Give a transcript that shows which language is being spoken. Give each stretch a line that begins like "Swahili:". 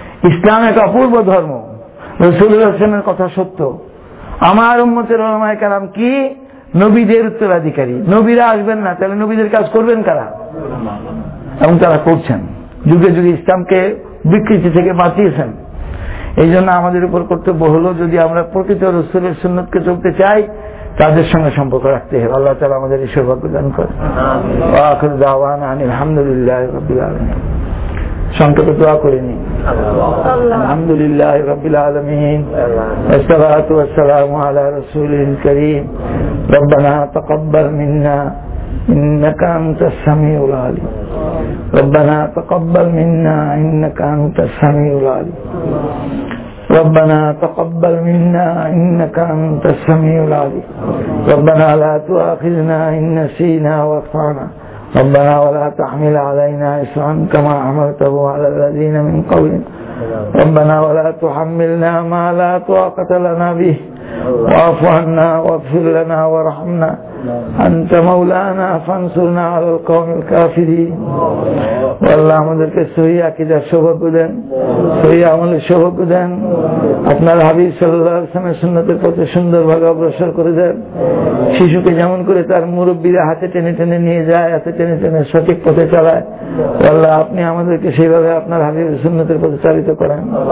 Bangla: ইসলাম এক অপূর্ব ধর্ম, রাসূলুল্লাহ সাল্লাল্লাহু কথা সত্য, আমার উম্মতের উলামায়ে কেরাম কি নবীদের উত্তরাধিকারী, নবীরা আসবেন না তাহলে নবীদের কাজ করবেন কারা, এবং তারা করছেন, যুগে যুগে ইসলামকে বিকৃতি থেকে বাঁচিয়েছেন। এই জন্য আমাদের উপর কর্তব্য হলো যদি আমরা প্রকৃত রাসূলের সুন্নতকে চলতে চাই তাদের সঙ্গে সম্পর্ক রাখতে হবে। আল্লাহ তাআলা আমাদের ঈশ্বর ভাগ্য দান করে, আমিন।
Arabic: ওয়া আখিরু দাওয়ানা আলহামদুলিল্লাহি রাব্বিল আলামিন,
Bangla: সংক্ষেপে দোয়া করে নিন,
Arabic: আলহামদুলিল্লাহি রাব্বিল আলামিন, আসসালাতু ওয়াসসালামু আলা রাসূলিল কারীম, রব্বানা তাকাব্বাল মিন্না ইন্নাকা আনতাস সামিউল আলীম, রব্বানা তাকাব্বাল মিন্না ইন্নাকা আনতাস সামিউল আলীম, ربنا تقبل منا انك انت السميع العليم، ربنا لا تؤاخذنا ان نسينا واخطانا، ربنا ولا تحمل علينا اصرا كما حملته على الذين من قبلنا، ربنا ولا تحملنا ما لا طاقه لنا به، واعف عنا واغفر لنا وارحمنا، انت مولانا فانصرنا على القوم الكافرين.
Bangla: আল্লাহ আমাদেরকে সহি আকিদার সৌভাগ্য দেন, সহি আমলের সৌভাগ্য দেন, আপনার হাবিব সাল্লাল্লাহু আলাইহি ওয়া সুন্নতের পথে সুন্দরভাবে অগ্রসর করে দেন। শিশুকে যেমন করে তার মুরব্বীরা হাতে টেনে টেনে নিয়ে যায়, হাতে টেনে টেনে সঠিক পথে চালায়, আল্লাহ আপনি আমাদেরকে সেইভাবে আপনার হাবিবের সুন্নতের পথে চালিত করেন,